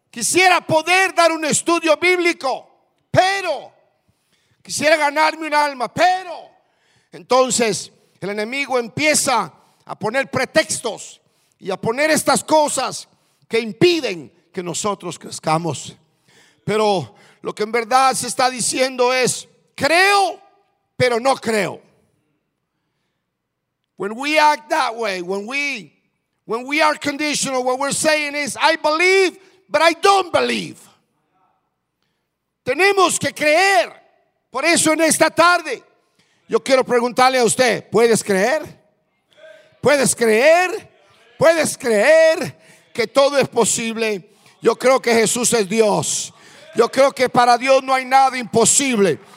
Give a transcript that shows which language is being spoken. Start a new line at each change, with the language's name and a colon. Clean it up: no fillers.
Spanish: Quisiera poder dar un estudio bíblico, pero quisiera ganarme un alma, pero entonces el enemigo empieza a poner pretextos y a poner estas cosas que impiden que nosotros crezcamos. Pero lo que en verdad se está diciendo es: creo, pero no creo.
English: When we act that way, when we are conditional, what we're saying is, I believe, but I don't believe.
Spanish: Tenemos que creer. Por eso en esta tarde, yo quiero preguntarle a usted, ¿puedes creer? ¿Puedes creer? ¿Puedes creer que todo es posible? Yo creo que Jesús es Dios. Yo creo que para Dios no hay nada imposible.